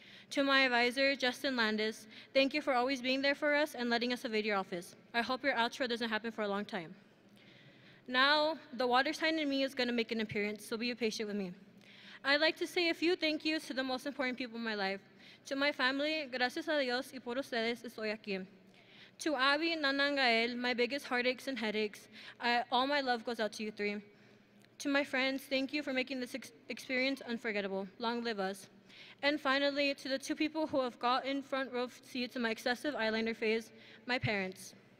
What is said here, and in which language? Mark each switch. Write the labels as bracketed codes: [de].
[en] To my advisor, Justin Landis, thank you for always being there for us and letting us evade your office. I hope your outro doesn't happen for a long time. Now, the water sign in me is going to make an appearance, so be patient with me. I'd like to say a few thank yous to the most important people in my life. To my family, [es] gracias a Dios y por ustedes estoy aquí. [en] To Abby, Nana, and Gael, my biggest heartaches and headaches, all my love goes out to you three. To my friends, thank you for making this experience unforgettable. Long live us. And finally, to the two people who have gotten front row seats in my excessive eyeliner phase, my parents.